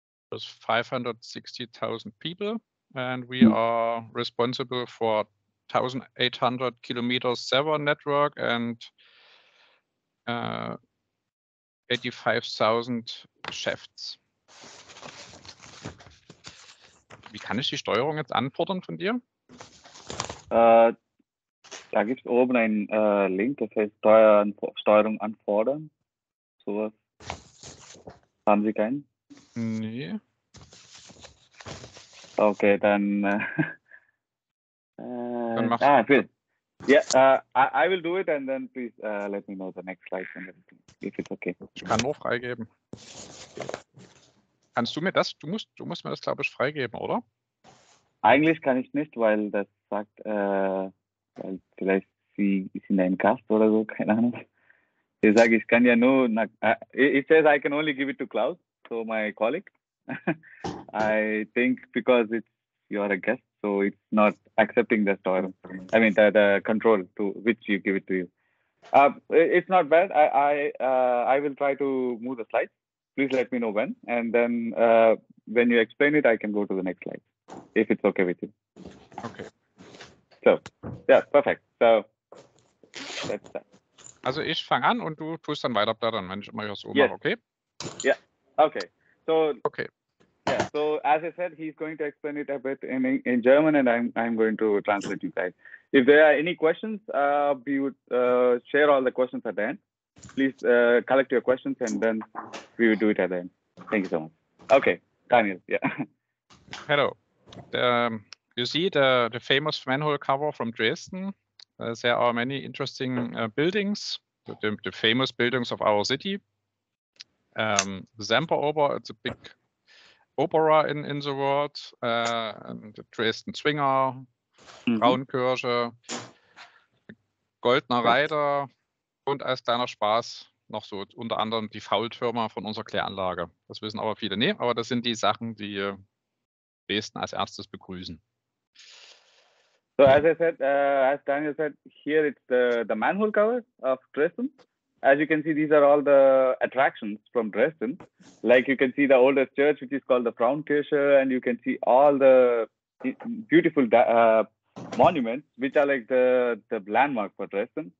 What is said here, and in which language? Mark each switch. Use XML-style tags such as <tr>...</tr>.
<en>There's 560,000 people, and we are responsible for 1,800 kilometers sewer network and 85,000 shafts.</en> <de>Wie kann ich die Steuerung jetzt anfordern von dir? Da gibt es oben einen Link, das heißt Steuerung anfordern. So was. Haben Sie keinen? Nee. Okay, dann. Dann mach ich es. Ja,</de> <en>I will do it, and then please let me know the next slide, if it's okay.</en> <de>Ich kann nur freigeben. Kannst du mir das, du musst mir das, glaube ich, freigeben, oder? Eigentlich kann ich nicht, weil das sagt, weil vielleicht sie ist in deinem Cast oder so, keine Ahnung. Ich sage, ich kann ja nur,</de> <en>it says I can only give it to Klaus, so my colleague. I think because it's, you are a guest, so it's not accepting the store, I mean the control to which you give it to you. It's not bad. I will try to move the slides. Please let me know when, and then when you explain it, I can go to the next slide, if it's okay with you. Okay. So, yeah, perfect. So, that's that.</en> <de>Also, ich fange an und du tust dann weiter blättern, wenn ich immer was oben mache, okay?</de> <en>Yeah. Okay. So. Okay. Yeah. So as I said, he's going to explain it a bit in German, and I'm going to translate you guys. If there are any questions, we would share all the questions at the end. Please collect your questions, and then we will do it at the end. Thank you so much. Okay, Daniel. Yeah. Hello. You see the famous manhole cover from Dresden. There are many interesting buildings. The famous buildings of our city. Semperoper. It's a big opera in the world. The Dresden Zwinger.</en> <de>Braunkirche, Goldener Reiter und als kleiner Spaß noch so unter anderem die Faultürmer von unserer Kläranlage. Das wissen aber viele nicht, aber das sind die Sachen, die Dresden als erstes begrüßen.</de> <en>So, as I said, as Daniel said, here it's the manhole cover of Dresden. As you can see, these are all the attractions from Dresden. Like you can see the oldest church, which is called the Braunkirche, and you can see all the beautiful monuments, which are like the landmark for Dresden.</en>